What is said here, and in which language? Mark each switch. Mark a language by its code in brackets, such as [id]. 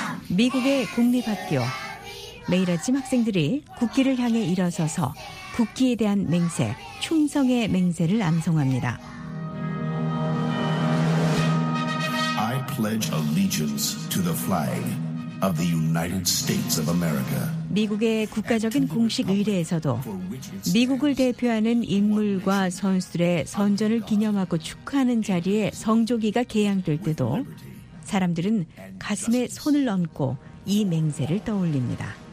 [ko] 미국의 국립학교. 매일 아침 학생들이 국기를 향해 일어서서 국기에 대한 맹세, 충성의 맹세를 암송합니다. [en] I pledge allegiance to the flag of the United States of America. [ko] 미국의 국가적인 공식 의례에서도 미국을 대표하는 인물과 선수들의 선전을 기념하고 축하하는 자리에 성조기가 개양될 때도 사람들은 가슴에 손을 얹고 이 맹세를 떠올립니다.